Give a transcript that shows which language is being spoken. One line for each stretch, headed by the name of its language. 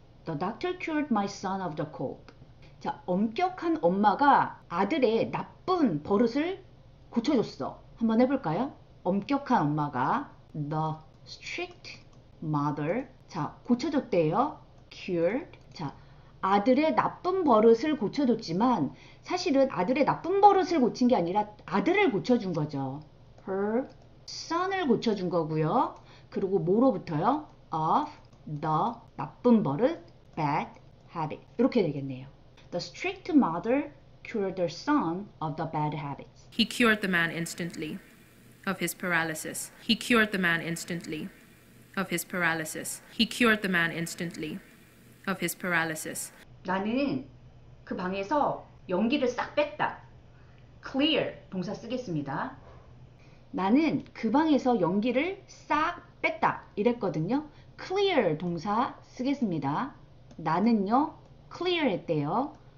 English: The doctor cured my son of the cold.
Korean: 자, 엄격한 엄마가 아들의 나쁜 버릇을 고쳐줬어. 한번 해볼까요? 엄격한 엄마가
English: the strict mother.
Korean: 자, 고쳐줬대요. Cured. 자, 아들의 나쁜 버릇을 고쳐줬지만 사실은 아들의 나쁜 버릇을 고친 게 아니라 아들을 고쳐준 거죠. Her son을 고쳐준 거고요. 그리고 뭐로부터요?
English: Of the
Korean: 나쁜 버릇,
English: bad habit. 이렇게 되겠네요. The strict mother cured her son of the bad habits. He cured the man instantly of his paralysis. He cured the man instantly of his paralysis. He cured the man instantly of his paralysis.
Korean: 나는 그 방에서 연기를 싹 뺐다. Clear 동사 쓰겠습니다. 나는 그 방에서 연기를 싹 뺐다 이랬거든요. Clear 동사 쓰겠습니다. 나는요. Clear 했대요.